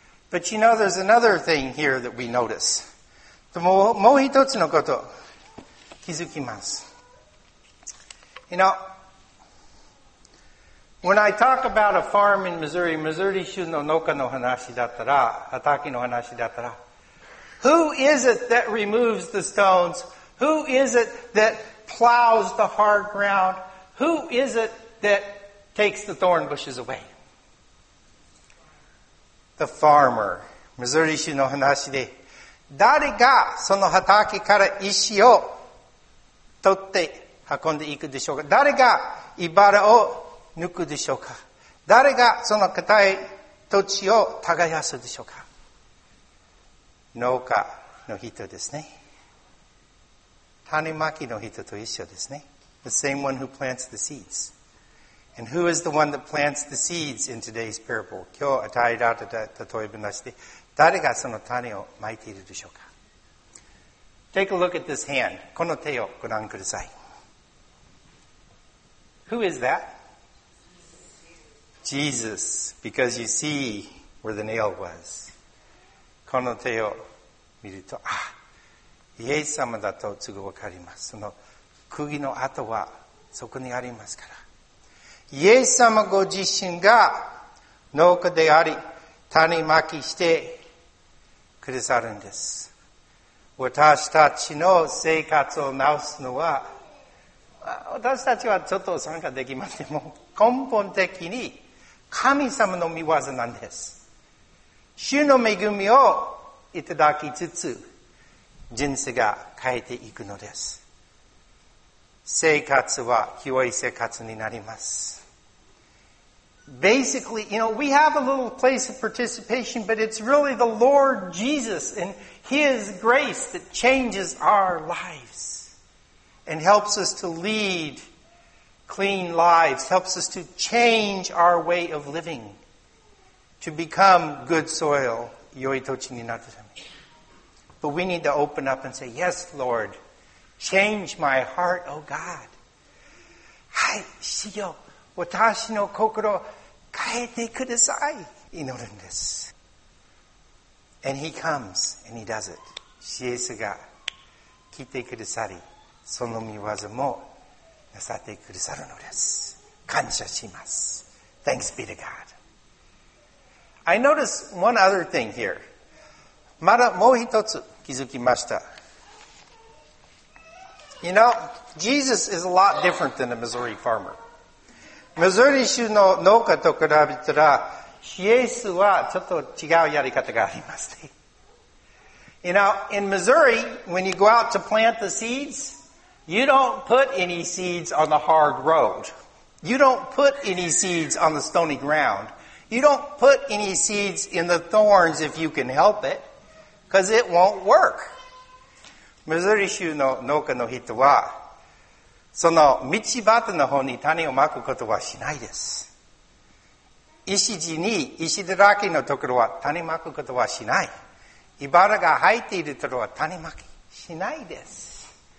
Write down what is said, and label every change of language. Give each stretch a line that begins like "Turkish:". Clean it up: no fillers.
English: But you know, there's another thing here that we notice.
Japanese: もう一つのこと気づきます。
English: You know,When I talk about a farm in Missouri,
Japanese: Missouri 州の農家の話だったら、畑の話だったら、
English: Who is it that removes the stones? Who is it that plows the hard ground? Who is it that takes the thorn bushes away? the farmer.
Japanese: 水利士の話で、誰がその畑から石を取って運んでいくでしょうか。誰が茨を抜くでしょうか。誰がその硬い土地を耕すでしょうか。農家の人ですね。種まきの人と一緒ですね。
English: The same one who plants the seeds. And who is the one that plants the seeds in today's parable?
Japanese: 今日与えられた例え話で、誰がその種をまいているでしょうか。
English: Take a look at this hand.
Japanese: この手をご覧ください。
English: Who is that? Jesus, because you see where the nail was.
Japanese: この手を見ると、あ、イエス様だとすぐわかります。その釘の跡はそこにありますから。イエス様ご自身が農家であり、種まきしてくださるんです。私たちの生活を直すのは、私たちはちょっと参加できますけども、根本的に神様の御業なんです。主の恵みをいただきつつ、人生が変えていくのです。生活は清い生活になります。
English: Basically, you know, we have a little place of participation, but it's really the Lord Jesus and His grace that changes our lives and helps us to lead clean lives, helps us to change our way of living, to become good soil,
Japanese: 良い土地になるため。
English: But we need to open up and say, Yes, Lord, change my heart, oh God.
Japanese: はい、主よ、私の心を変えてください。祈るんです。
English: And he comes and he does it.
Japanese: イエスが来てくださり、その御業もなさってくださるのです。感謝します。
English: Thanks be to God. I notice one other thing here.
Japanese: まだもう一つ気づきました。
English: You know, Jesus is a lot different than a Missouri farmer.
Japanese: Missouri 州の農家と比べたら、イエスはちょっと違うやり方がありますね。
English: You know, in Missouri, when you go out to plant the seeds, you don't put any seeds on the hard road. You don't put any seeds on the stony ground. You don't put any seeds in the thorns if you can help it, because it won't work.
Japanese: ミズーリ州の農家の人は、その道端の方に種をまくことはしないです。石地に石だらけのところは種まくことはしない。茨が生えているところは種まきしないです。